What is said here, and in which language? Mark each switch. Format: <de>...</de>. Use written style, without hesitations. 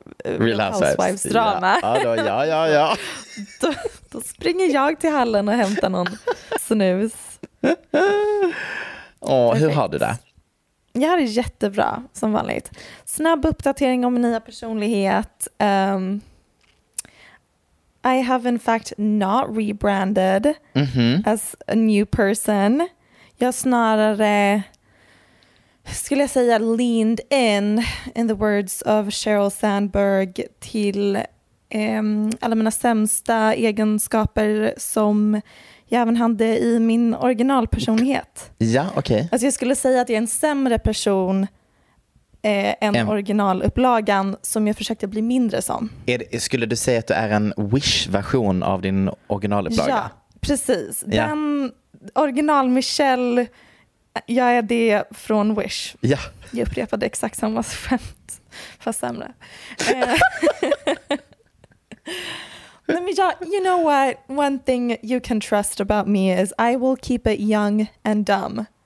<sv>Real Housewives-drama? Ja. Då springer jag till hallen och hämtar någon snus. Åh, hur har du det? Jag har det jättebra, som vanligt. Snabb uppdatering om min nya personlighet.</sv> <en>I have in fact not rebranded as a new person.</en> <sv>Jag snarare, skulle jag säga, leaned in the words of Sheryl Sandberg till alla mina sämsta egenskaper som jag även hade i min originalpersonlighet. Ja, okej. Alltså jag skulle säga att jag är en sämre person än originalupplagan som jag försökte bli mindre som. Skulle du säga att du är en wish-version av din originalupplaga? Ja, precis. Ja. Den original Michelle, jag är det från Wish. Ja. Jag upprepade exakt samma skämt, fast sämre.</sv> <en>Let me just, you know what? One thing you can trust about me is I will keep it young and dumb.</en>